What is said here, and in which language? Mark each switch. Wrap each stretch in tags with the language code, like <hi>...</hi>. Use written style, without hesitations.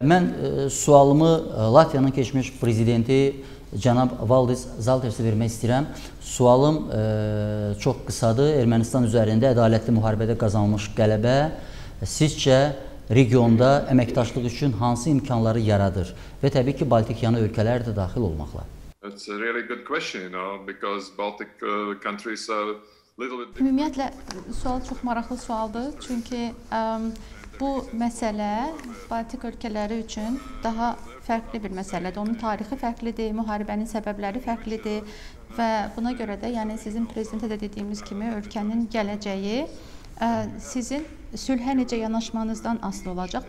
<az>Mən sualımı Latviyanın keçmiş prezidenti Cənab Valdis Zaltersə vermək istəyirəm. Sualım çox qısadır. Ermənistan üzərində ədalətli müharibədə qazanılmış qələbə sizcə regionda əməkdaşlıq üçün hansı imkanları yaradır? Və təbii ki, Baltikyanı ölkələr də daxil olmaqla.</az> <en>That's a really good question, you know, because Baltic countries are little bit...</en> <az>Ümumiyyətlə, sual çox maraqlı sualdır. Çünki bu məsələ Baltik ölkələri üçün daha fərqli bir məsələdir. Onun tarixi fərqlidir, müharibənin səbəbləri fərqlidir və buna görə də, yəni sizin prezidentə də dediyimiz kimi, ölkənin gələcəyi sizin sülhə necə yanaşmanızdan asılı olacaq.</az>